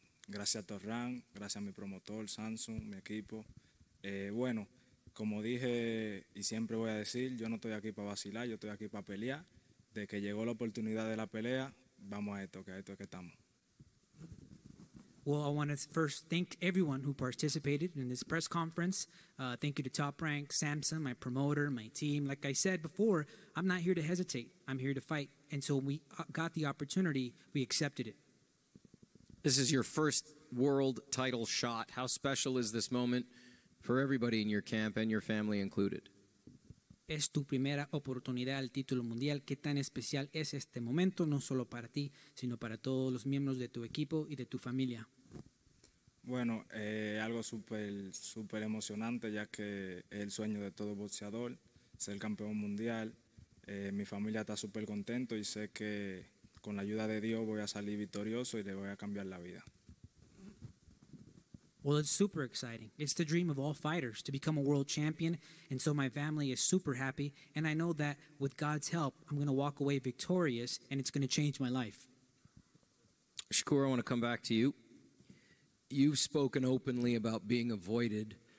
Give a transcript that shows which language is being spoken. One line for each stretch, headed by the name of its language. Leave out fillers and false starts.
Spanish: Gracias a Torran, gracias a mi promotor, Samsung, mi equipo. Bueno, como dije y siempre voy a decir, yo no estoy aquí para vacilar, yo estoy aquí para pelear. De que llegó la oportunidad de la pelea, vamos a esto es que estamos.
English: Well, I want to first thank everyone who participated in this press conference. Thank you to Top Rank, Samson, my promoter, my team. Like I said before, I'm not here to hesitate. I'm here to fight. And so we got the opportunity, we accepted it. This is your first world title shot. How special is this moment for everybody in your camp and your family included?
Spanish: Es tu primera oportunidad al título mundial. ¿Qué tan especial es este momento, no solo para ti, sino para todos los miembros de tu equipo y de tu familia? Bueno, algo súper, súper emocionante, ya que es el sueño de todo boxeador, ser campeón mundial. Mi familia está súper contento y sé que con la ayuda de Dios voy a salir victorioso y le voy a cambiar la vida.
English: Well, it's super exciting. It's the dream of all fighters to become a world champion, and so my family is super happy, and I know that with God's help, I'm going to walk away victorious, and it's going to change my life. Shakur, I want to come back to you. You've spoken openly about being avoided.